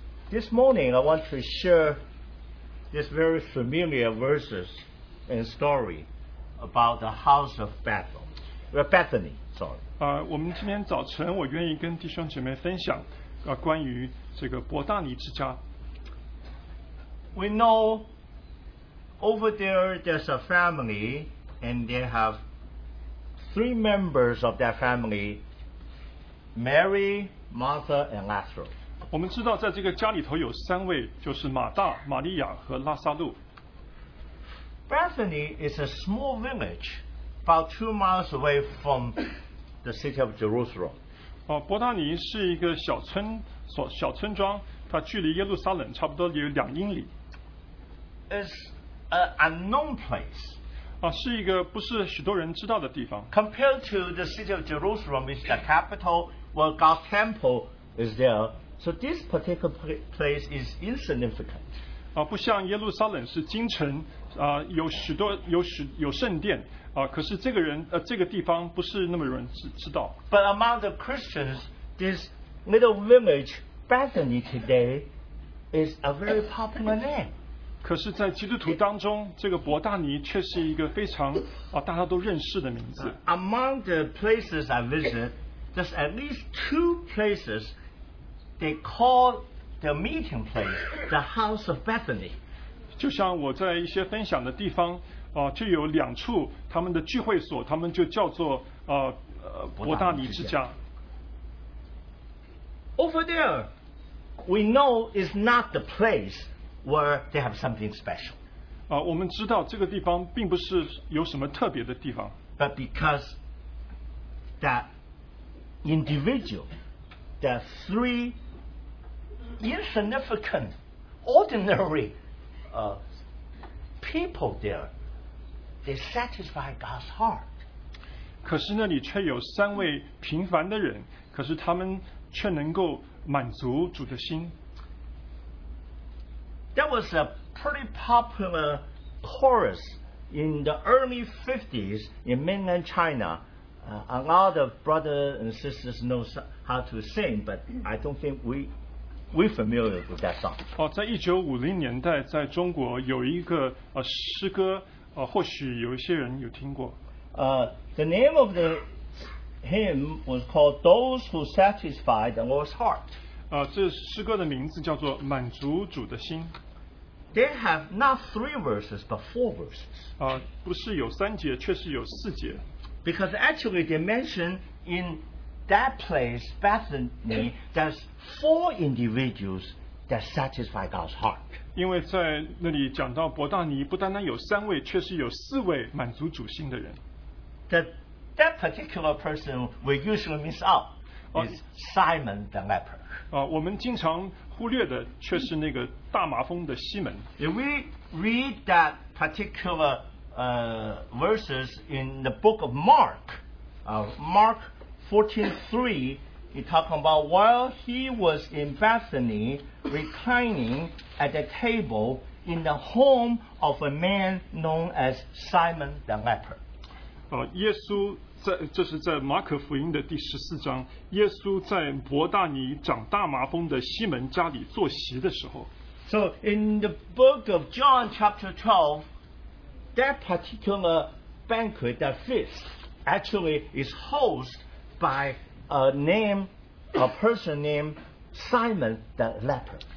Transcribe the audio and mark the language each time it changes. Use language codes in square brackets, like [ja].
[en] This morning, I want to share this very familiar verses and story about the house of Bethany. Sorry. [zh] 我们今天早晨，我愿意跟弟兄姐妹分享关于这个伯大尼之家。 [en] We know over there there's a family, and they have three members of that family: Mary, Martha, and Lazarus. [zh] 我们知道在这个家里头有三位，就是马大、玛利亚和拉撒路。 [en] Bethany is a small village about 2 miles away from the city of Jerusalem. [zh] 伯大尼是一个小村庄，它距离耶路撒冷差不多有2英里。 [en] It's an unknown place. [zh] 是一个不是许多人知道的地方。 [en] Compared to the city of Jerusalem, which is the capital where God's temple is there,So this particular place is insignificant. [zh] 不像耶路撒冷是京城有圣殿可是这个人这个地方不是那么人知道 [en] But among the Christians this little village Bethany today is a very popular name [zh] 可是在基督徒当中这个伯大尼却是一个非常大家都认识的名字 [en] Among the places I visit there's at least two places they call the meeting place the House of Bethany [zh] 就像我在一些分享的地方就有两处他们的聚会所他们就叫做伯大尼之家 [en] Over there we know it's not the place where they have something special [zh] 我们知道这个地方并不是有什么特别的地方 [en] But because that individual the three insignificant ordinary people there they satisfy God's heart [zh] 可是那里却有三位平凡的人可是他们却能够满足主的心 [en] That was a pretty popular chorus in the early 50s in mainland China a lot of brothers and sisters know how to sing but I don't think we're familiar with that song [zh] 在1950年代在中国有一个诗歌或许有一些人有听过 [en] The name of the hymn was called Those Who Satisfy the Lord's Heart [zh] 这诗歌的名字叫做满足主的心 [en] They have not three verses but four verses [zh] 不是有三节却是有四节 [en] Because actually they mention in that place Bethany there's four individuals that satisfy God's heart [zh] 因为在那里讲到伯大尼不单单有三位却是有四位满足主心的人 [en] That particular person we usually miss out is Simon the leper [zh] 我们经常忽略的却是那个大麻风的西门 [en] If we read that particular verses in the book of Mark Mark 14:3 he talking about while he was in Bethany reclining at the table in the home of a man known as Simon the leper [zh] 耶稣在这是在马可福音的第十四章耶稣在伯大尼长大麻风的西门家里坐席的时候 [en] So in the book of John chapter 12 that particular banquet that feast actually is hosted by a person named Simon the leper